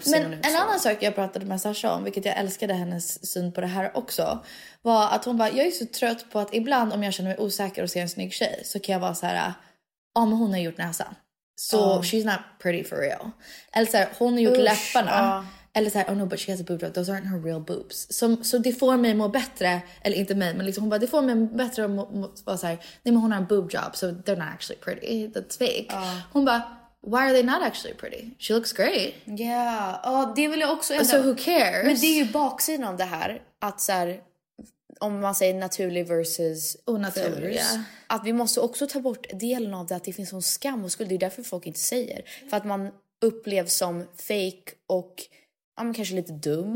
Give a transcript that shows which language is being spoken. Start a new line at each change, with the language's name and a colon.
Swedish: Men en annan sak jag pratade med Sasha om, vilket jag älskade hennes syn på det här också, var att hon bara, jag är så trött på att ibland om jag känner mig osäker och ser en snygg tjej, så kan jag vara så här, om hon har gjort näsan, så
English: she's not pretty for real.
Swedish: Eller så här, hon har gjort läpparna. Eller så här,
English: oh no, but she has a boob job. Those aren't her real boobs.
Swedish: Så det får mig må bättre, eller inte mig, men liksom hon bara, det får mig bättre att vara så här, nej men hon har en boob job,
English: so they're not actually pretty. That's fake.
Swedish: Hon bara,
English: why are they not actually pretty? She looks great. Yeah.
Swedish: Och det vill jag också ändå.
English: So who cares?
Swedish: Men det är ju baksidan av det här. Att så här, om man säger naturlig versus... Onaturlig, ja.
English: Yeah.
Swedish: Att vi måste också ta bort delen av det. Att det finns sån skam och skuld. Det är därför folk inte säger. För att man upplevs som fake och ja, men kanske lite dum.